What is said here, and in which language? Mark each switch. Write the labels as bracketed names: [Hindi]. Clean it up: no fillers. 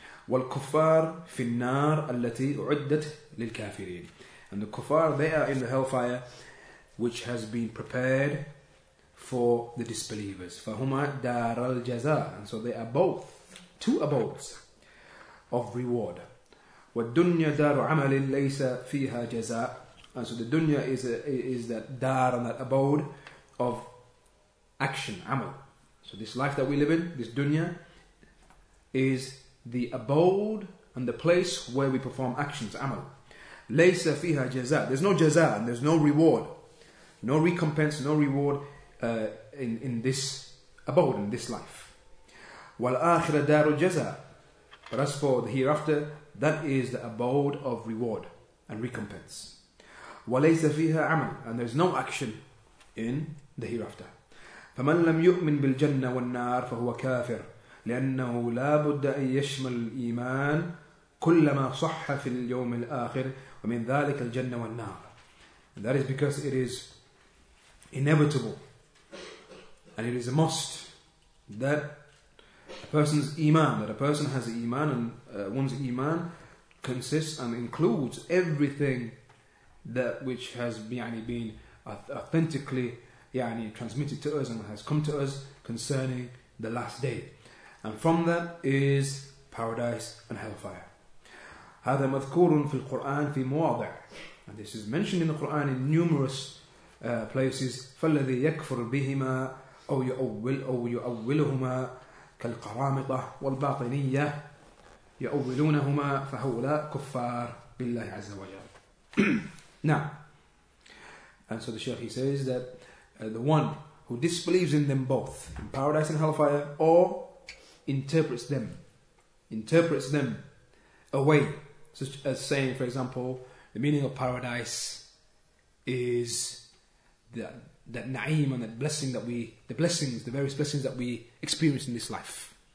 [Arabic] والكفار في النار التي أعدت للكافرين. [English] And the kuffar, they are in the hellfire which has been prepared for the disbelievers. [Arabic] فهما دار الجزاء. [English] And so they are both, two abodes of reward. [Arabic] والدنيا دار عمل ليس فيها جزاء. [English] And so the dunya is that dar and that abode of action, amal. So this life that we live in, this dunya, is the abode and the place where we perform actions, amal. [Arabic] Laysa fiha jaza. [English] There's no jaza and there's no reward. No recompense, no reward in this abode, in this life. [Arabic] Wal akhirah daru jaza. [English] But as for the hereafter, that is the abode of reward and recompense. [Arabic] وليس فيها عمل, [English] and there's no action in the hereafter. [Arabic] فمن لم يؤمن بالجنة والنار فهو كافر لأنه لا بد أن يشمل الإيمان كل ما صح في اليوم الآخر ومن ذلك الجنة والنار. [English] And that is because it is inevitable and it is a must that a person's iman, that a person has iman, and one's iman consists and includes everything that which has been authentically transmitted to us and has come to us concerning the last day. And from that is paradise and hellfire. [Arabic] هذا مذكور في القرآن في مواضع. [English] And this is mentioned in the Quran in numerous places. [Arabic] فالذي يكفر بهما أو يؤول أو يؤولهما كالقرامطة والباطنية يؤولونهما فهؤلاء كفار بالله عز وجل. [English] Now, and so the Shaykh, he says that the one who disbelieves in them both, in paradise and hellfire, or interprets them away, such as saying, for example, the meaning of paradise is that na'im and that blessing that the various blessings that we experience in this life,